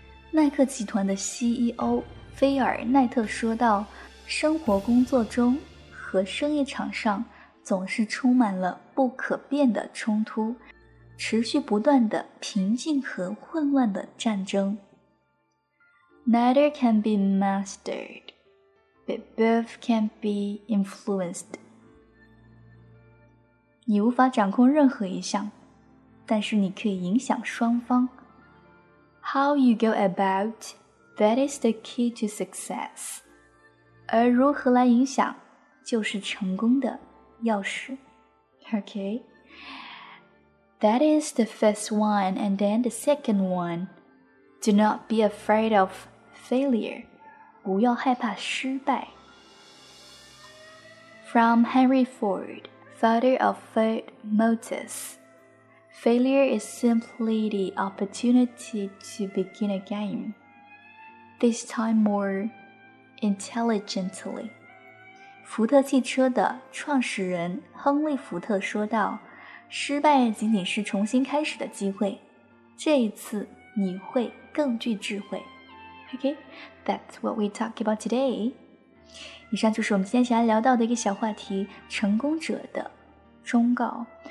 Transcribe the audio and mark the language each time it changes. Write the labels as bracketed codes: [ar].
[zh] 耐克集团的 CEO 菲尔·奈特说道，生活工作中和生意场上总是充满了不可变的冲突，持续不断的平静和混乱的战争。 [en] Neither can be mastered, but both can be influenced. [zh] 你无法掌控任何一项，但是你可以影响双方。 [en] How you go about, that is the key to success. [zh] 而如何来影响，就是成功的钥匙。 Okay. [en] That is the first one, and then the second one. Do not be afraid of... failure, [zh] 不要害怕失败。 [en] From Henry Ford, father of Ford Motors, failure is simply the opportunity to begin again, this time more intelligently. [zh] 福特汽车的创始人亨利·福特说道，失败仅仅是重新开始的机会，这一次你会更具智慧。 [en] Okay, that's what we talk about today. [zh] 以上就是我们今天想要聊到的一个小话题，成功者的忠告。